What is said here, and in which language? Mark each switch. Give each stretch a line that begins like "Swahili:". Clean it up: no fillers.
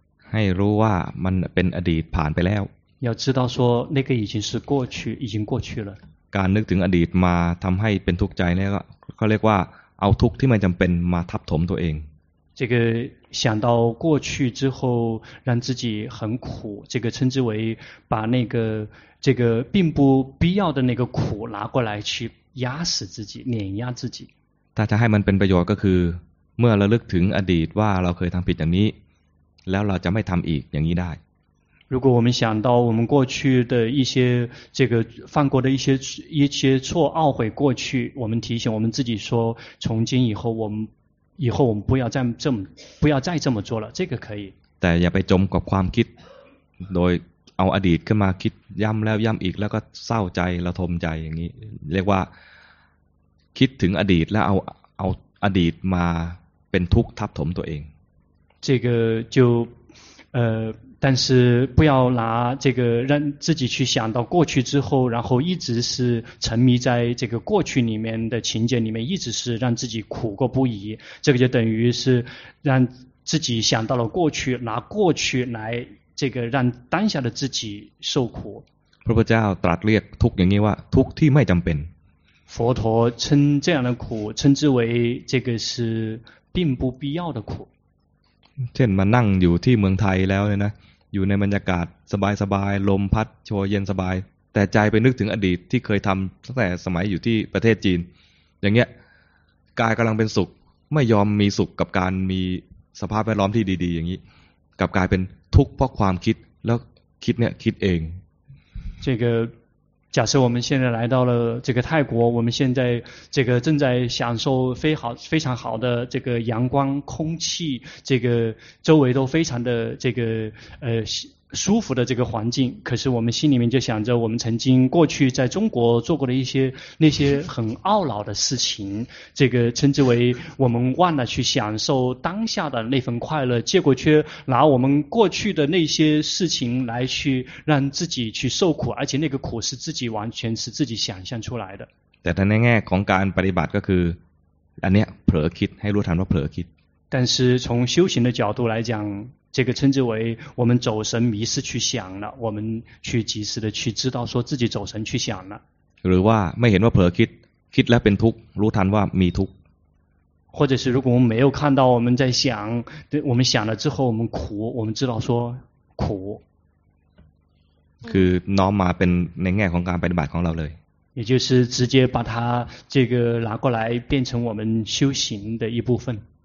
Thai: ให้รู้ว่ามันเป็นอดีตผ่านไปแล้ว
Chinese: 要知道说那个已经是过去已经过去了
Thai: การนึกถึงอดีตมาทำให้เป็นทุกข์ใจเนี่ยก็เรียกว่าเอาทุกข์ที่มันจำเป็นมาทับถมตัวเอง
Chinese: 这个想到过去之后让自己很苦这个称之为把那个这个并不必要的那个苦拿过来去压死自己碾压自己
Thai: ถ้าจะให้มันเป็นประโยชน์ก็คือเมื่อระลึกถึงอดีตว่าเราเคยทำผิดอย่างนี้แล้วเราจะไม่ทำอีกอย่างนี้ได้
Chinese: 如果我们想到我们过去的一些这个犯过的一些错懊悔过去我们提醒我们自己说从今以后我们不要再这么做了这个可以
Thai: แต่อย่าไปจมกับความคิดโดยเอาอดีตขึ้นมาคิดย้ำแล้วย้ำอีกแล้วก็เศร้าใจระทมใจอย่างนี้เรียกว่าคิดถึงอดีตแล้วเอาอดีตมาเป็นทุกข์ทับถมตัวเอง
Chinese: 这个就但是不要拿这个让自己去想到过去之后然后一直是沉迷在这个过去里面的情节里面一直是让自己苦过不已这个就等于是让自己想到了过去拿过去来这个让当下的自己受苦
Thai: พระพุทธเจ้าตรัสเรียกทุกข์อย่างนี้ว่าทุกข์ที่ไม่จำเป็น
Chinese: 佛陀称这样的苦称之为这个是并不必要的苦
Thai: เช่นมานั่งอยู่ที่เมืองไทยแล้วเนี่ยนะอยู่ในบรรยากาศสบายๆลมพัดโชยเย็นสบายแต่ใจไปนึกถึงอดีตที่เคยทำตั้งแต่สมัยอยู่ที่ประเทศจีนอย่างเงี้ยกายกำลังเป็นสุขไม่ยอมมีสุขกับการมีสภาพแวดล้อมที่ดีๆอย่างนี้กลับกลายเป็นทุกข์เพราะความคิดแล้วคิดเนี่ยคิดเอง
Chinese: 这个假设我们现在来到了这个泰国，我们现在这个正在享受非常好的这个阳光空气，这个周围都非常的这个舒服的这个环境，可是我们心里面就想着我们曾经过去在中国做过的一些那些很懊恼的事情，这个称之为我们忘了去享受当下的那份快乐，结果却拿我们过去的那些事情来去让自己去受苦，而且那个苦是自己完全是自己想象出来的。
Thai: แต่ในแง่ของการปฏิบัติก็คืออันนี้เผลอคิดให้รู้ทันว่าเผลอคิด
Chinese: 但是从修行的角度来讲，这个称之为我们走神迷失去想了，我们去及时的去知道说自己走神去想了。
Thai: หรือว่าไม่เห็นว่าเผลอคิดคิดแล้วเป็นทุกข์รู้ทันว่ามีทุกข์
Chinese: 或者是如果我们没有看到我们在想，我们想了之后我们苦，我们知道说苦。
Thai: คือน้อมมาเป็นในแง่ของการปฏิบัติของเราเลย。
Chinese: 也就是直接把它这个拿过来变成我们修行的一部分。